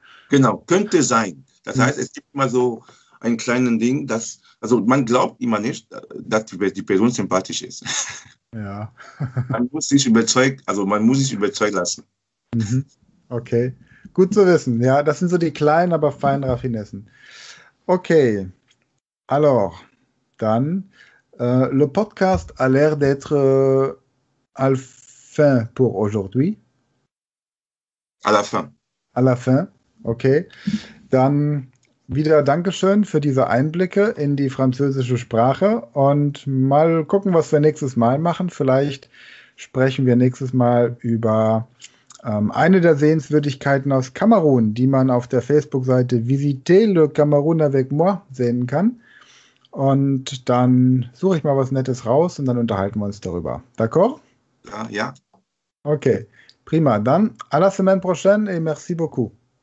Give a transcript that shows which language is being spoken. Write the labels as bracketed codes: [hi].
[de] Genau, könnte sein. Das heißt, es gibt immer so einen kleinen Ding, dass, also man glaubt immer nicht, dass die Person sympathisch ist. Ja. Man muss sich überzeugen lassen. Okay, gut zu wissen. Ja, das sind so die kleinen, aber feinen Raffinessen. Okay, [fr] alors, dann le podcast a l'air d'être à la fin pour aujourd'hui. À la fin, [de] okay. Dann wieder Dankeschön für diese Einblicke in die französische Sprache und mal gucken, was wir nächstes Mal machen. Vielleicht sprechen wir nächstes Mal über eine der Sehenswürdigkeiten aus Kamerun, die man auf der Facebook-Seite Visitez le Cameroun avec moi sehen kann. Und dann suche ich mal was Nettes raus und dann unterhalten wir uns darüber. [fr] D'accord? [de] Ja. Okay, prima. Dann [fr] à la semaine prochaine et merci beaucoup.